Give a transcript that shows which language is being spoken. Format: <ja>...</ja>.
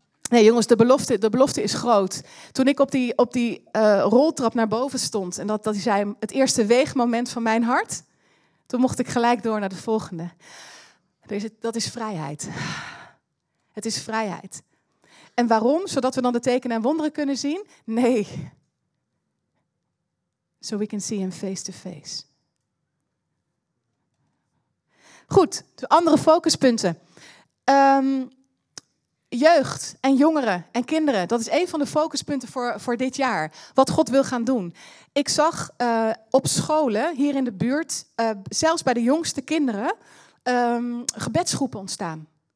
<nl>Nee jongens, de belofte is groot. Toen ik op die roltrap naar boven stond en dat hij zei, het eerste weegmoment van mijn hart, toen mocht ik gelijk door naar de volgende. Dat is vrijheid. Het is vrijheid. En waarom? Zodat we dan de tekenen en wonderen kunnen zien? Nee.</nl> <en>So we can see him face to face.</en> <nl>Goed, de andere focuspunten. Jeugd en jongeren en kinderen. Dat is een van de focuspunten voor dit jaar. Wat God wil gaan doen. Ik zag op scholen hier in de buurt, zelfs bij de jongste kinderen, gebedsgroepen ontstaan.</nl>